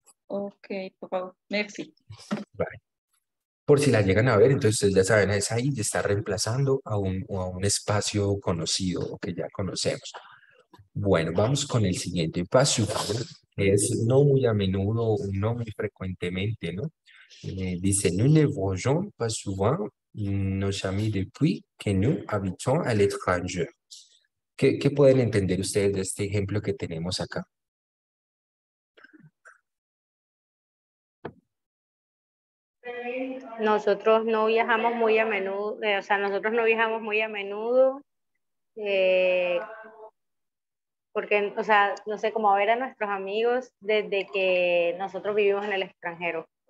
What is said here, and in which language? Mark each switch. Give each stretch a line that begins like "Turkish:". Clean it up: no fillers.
French: Ok, papá, merci. Bye.
Spanish: Por si la llegan a ver, entonces ya saben, es ahí, está reemplazando a un espacio conocido o que ya conocemos. Bueno, vamos con el siguiente espacio, que es no muy a menudo, no muy frecuentemente, ¿no?
French: Dice, nous ne voyons pas souvent nos amis depuis que nous habitons à l'étranger.
Spanish: ¿Qué pueden entender ustedes de este ejemplo que tenemos acá? Nosotros no viajamos muy a menudo, o sea, nosotros no viajamos muy a menudo, porque, o sea, no sé cómo ver a nuestros amigos desde que nosotros vivimos en el extranjero.